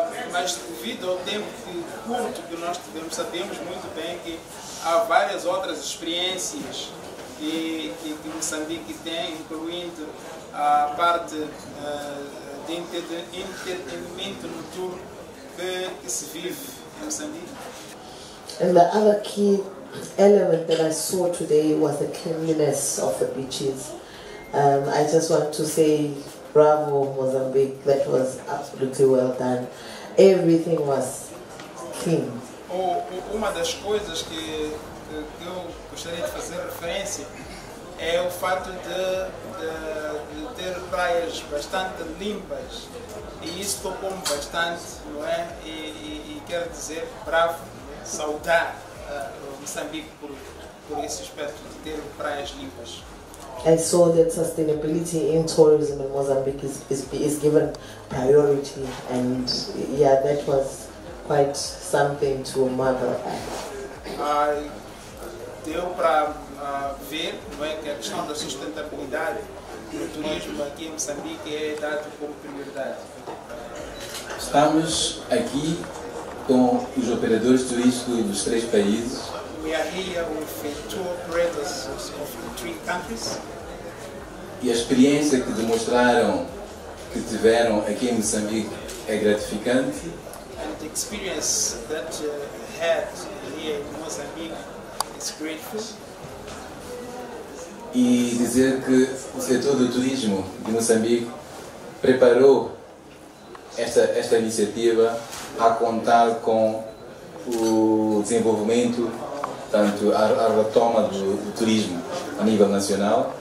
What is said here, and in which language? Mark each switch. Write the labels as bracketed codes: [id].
[pt] Mas devido ao tempo curto que nós tivemos, sabemos muito bem que há várias outras experiências que Mozambique tem, incluindo a parte de entretenimento noturno que se vive [en] And the other key element that I saw today was the cleanliness of the beaches. I just want to say bravo, Mozambique. That was absolutely well done. Everything was clean. [pt] Uma das coisas que eu gostaria de fazer referência é o fato de ter praias bastante limpas. E isso tocou-me bastante, não é? E quero dizer, bravo, saudar Moçambique por esse aspecto de ter praias limpas. [en] I saw that sustainability in tourism in Mozambique is given priority, and yeah, that was quite something to marvel at. [pt] Deu para ver, não é, que a questão da sustentabilidade do turismo aqui em Moçambique é dado como prioridade. Estamos aqui com os operadores turísticos dos três países. [en] We are here with two operators of the three countries. [pt] E a experiência que demonstraram que tiveram aqui em Moçambique é gratificante. [en] And the experience that had here in Mozambique is grateful. [pt] E dizer que o setor do turismo de Moçambique preparou esta iniciativa a contar com o desenvolvimento, tanto a retoma do turismo a nível nacional.